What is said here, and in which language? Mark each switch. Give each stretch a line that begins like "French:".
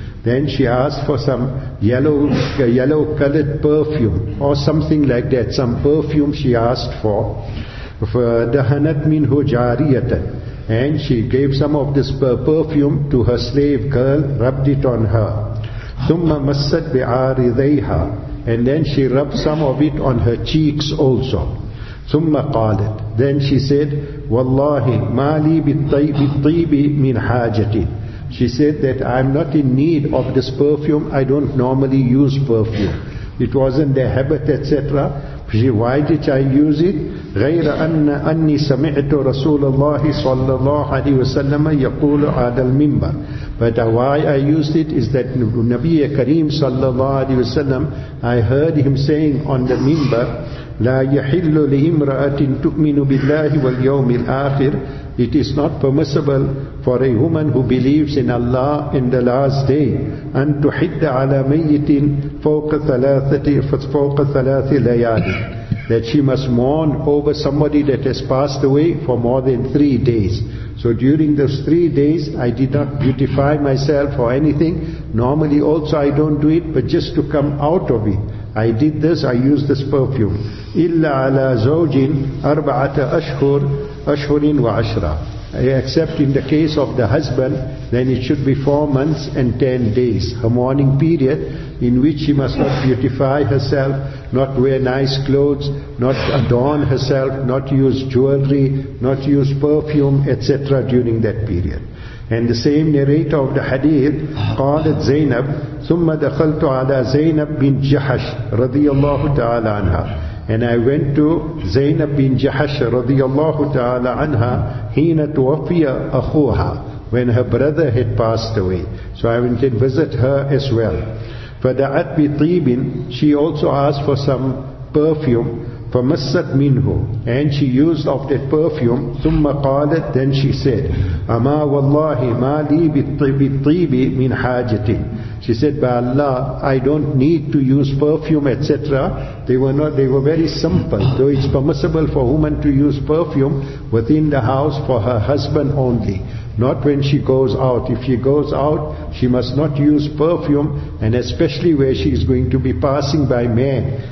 English: Then she asked for some yellow colored perfume, or something like that, some perfume she asked for.
Arabic: فَدَهَنَتْ مِنْهُ جَارِيَةً.
English: And she gave some of this perfume to her slave girl, rubbed it on her.
Arabic: ثُمَّ مَسَّتْ بِعَارِضَيْهَا.
English: And then she rubbed some of it on her cheeks also.
Arabic: ثُمَّ قَالَتْ.
English: Then she said,
Arabic: وَاللَّهِ مَا لِي بِالطِّيبِ مِنْ حَاجَةٍ.
English: She said that I'm not in need of this perfume. I don't normally use perfume. It wasn't their habit, etc. Why did I use it?
Arabic: غير أن أني سمعت رسول الله صلى الله عليه وسلم يقول على المنبر.
English: But why I used it is that
Arabic: نبي كريم صلى الله عليه وسلم,
English: I heard him saying on the minbar,
Arabic: لا يحل لامرأة تؤمن بالله واليوم الآخر.
English: It is not permissible for a woman who believes in Allah in the last day,
Arabic: أن تحد على ميت فوق ثلاثة ليالي,
English: that she must mourn over somebody that has passed away for more than 3 days. So during those 3 days, I did not beautify myself or anything. Normally also I don't do it, but just to come out of it, I did this, I used this perfume.
Arabic: إِلَّا عَلَى زَوْجٍ أَرْبَعَةَ أَشْهُرٍ وَعَشْرًا.
English: Except in the case of the husband, then it should be 4 months and 10 days, her mourning period, in which she must not beautify herself, not wear nice clothes, not adorn herself, not use jewelry, not use perfume, etc. during that period. And the same narrator of the hadith called Zainab,
Arabic: ثُمَّ دَخَلْتُ عَلَى زَيْنَبْ بِنْ جَحَشْ رَضِيَ اللَّهُ تَعَالَى عَنْهَا.
English: And I went to Zainab bin Jahash radiallahu ta'ala anha,
Arabic: hina tuwafiya akhuha,
English: when her brother had passed away. So I went and visit her as well.
Arabic: Fada'at bi tibin,
English: she also asked for some perfume.
Arabic: فمست منه.
English: And she used of that perfume.
Arabic: ثم قالت,
English: then she said,
Arabic: أما والله ما لي بالطيب من حاجة.
English: She said, by Allah, I don't need to use perfume, etc. They were very simple. Though it's permissible for woman to use perfume within the house for her husband only, not when she goes out. If she goes out, she must not use perfume, and especially where she is going to be passing by men.